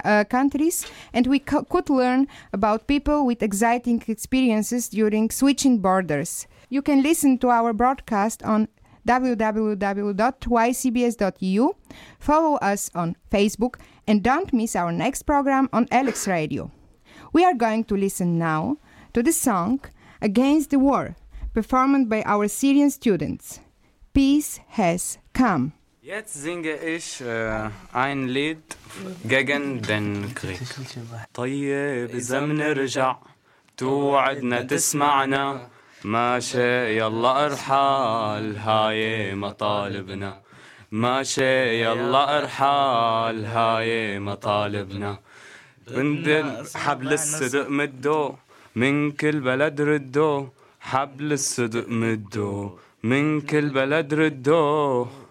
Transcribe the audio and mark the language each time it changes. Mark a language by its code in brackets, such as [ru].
[en] countries and we could learn about people with exciting experiences during switching borders You can listen to our broadcast on www.ycbs.eu, follow us on Facebook, and don't miss our next program on Alex Radio. We are going to listen now to the song Against the War, performed by our Syrian students. Peace has come. [de] Jetzt singe ich ein Lied gegen den Krieg. [ar] طيب زمن رجع توعدنا تسمعنا ماشي يلا ارحال هاي مطالبنا ماشي يلا ارحال هاي مطالبنا بند حبل الصدق مدو من كل بلد ردو حبل الصدق مدو من كل بلد ردو